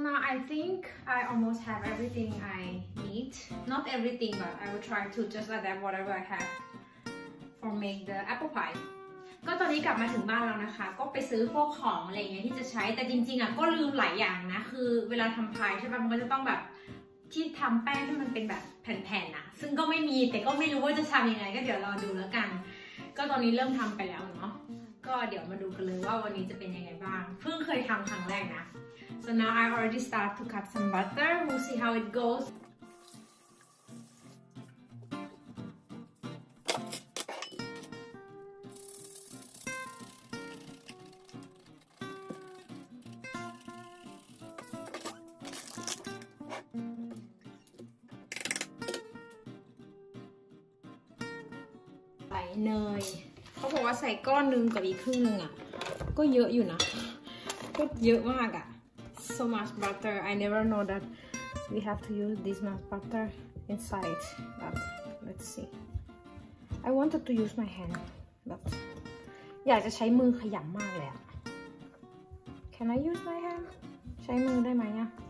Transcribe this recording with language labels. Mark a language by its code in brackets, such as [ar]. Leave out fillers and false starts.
[en] I think I almost have everything I need. Not everything, but I will try to just like that whatever I have for make the apple pie. [th] ก็ตอนนี้กลับมาถึงบ้านแล้วนะคะก็ไปซื้อพวกของอะไรเงี้ยที่จะใช้แต่จริงๆอ่ะก็ลืมหลายอย่างนะคือเวลาทำพายใช่ป่ะมันก็จะต้องแบบที่ทำแป้งที่มันเป็นแบบแผ่นๆอ่ะซึ่งก็ไม่มีแต่ก็ไม่รู้ว่าจะทำยังไงก็เดี๋ยวรอดูแล้วกันก็ตอนนี้เริ่มทำไปแล้วเนาะก็เดี๋ยวมาดูกันเลยว่าวันนี้จะเป็นยังไงบ้างเพิ่งเคยทำครั้งแรกนะ [en] So now I already start to cut some butter. We'll see how it goes. [th] ใส่เนยเขาบอกว่าใส่ก้อนนึงกับอีกครึ่งนึงอ่ะก็เยอะอยู่นะก็เยอะมากอ่ะ [en] So much butter. I never know that we have to use this much butter inside. But let's see. I wanted to use my hand, but [th] อยากจะใช้มือขยำมากเลยอ่ะ [en] Can I use my hand? [th] ใช้มือได้ไหมอ่ะ